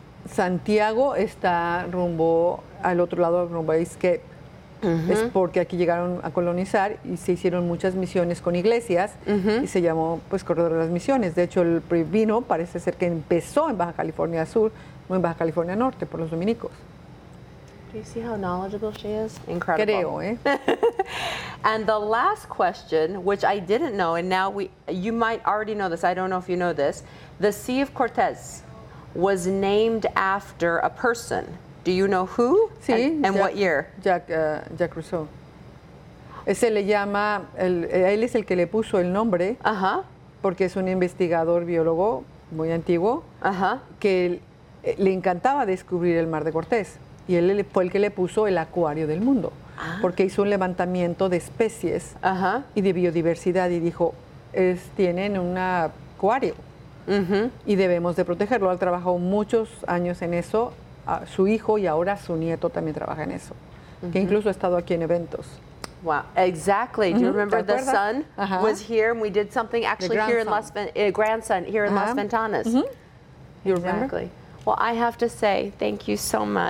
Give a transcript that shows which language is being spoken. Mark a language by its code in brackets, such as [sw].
[es] Santiago está rumbo al otro lado, rumbo a Escape. Es porque aquí llegaron a colonizar y se hicieron muchas misiones con iglesias y se llamó, pues, Corredor de las Misiones. De hecho, el vino parece ser que empezó en Baja California Sur, no en Baja California Norte, por los dominicos. [en] Do you see how knowledgeable she is? Incredible. [es] Creo, [en] And the last question, which I didn't know, and now you might already know this. I don't know if you know this. The Sea of Cortez was named after a person. Do you know who? [es] Sí, [en] and Jack, what year? Jack Rousseau. [es] Ese le llama, él es el que le puso el nombre, porque es un investigador biólogo muy antiguo, que le encantaba descubrir el Mar de Cortés. Y él fue el que le puso el acuario del mundo, porque hizo un levantamiento de especies y de biodiversidad y dijo, tienen un acuario y debemos de protegerlo. Él trabajó muchos años en eso, su hijo y ahora su nieto también trabaja en eso, que incluso ha estado aquí en eventos. [en] Wow, exactly. Do you remember the son was here and we did something actually here in Las Ventanas, grandson here in Las Ventanas. You remember? Exactly. Well, I have to say thank you so much.